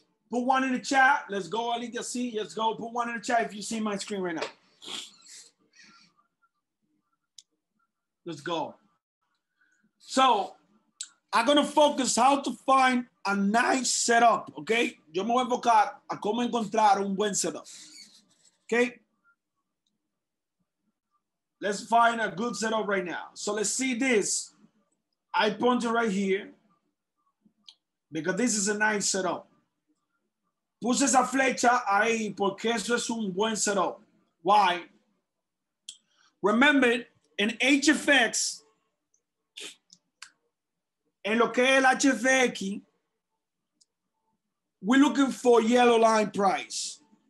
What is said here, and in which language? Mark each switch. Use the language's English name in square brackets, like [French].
[English] Put one in the chat. Let's go, Alicia. See, let's go. Put one in the chat if you see my screen right now. Let's go. So I'm gonna focus how to find a nice setup, okay? [Spanish] Yo me voy a enfocar a cómo encontrar un buen setup, okay? [English] Let's find a good setup right now. So let's see this. I pointed right here because this is a nice setup. [Spanish] Puse esa flecha ahí porque eso es un buen setup. [English] Why? Remember, in HFX, [Spanish] en lo que es el HFX, [English] we're looking for yellow line price.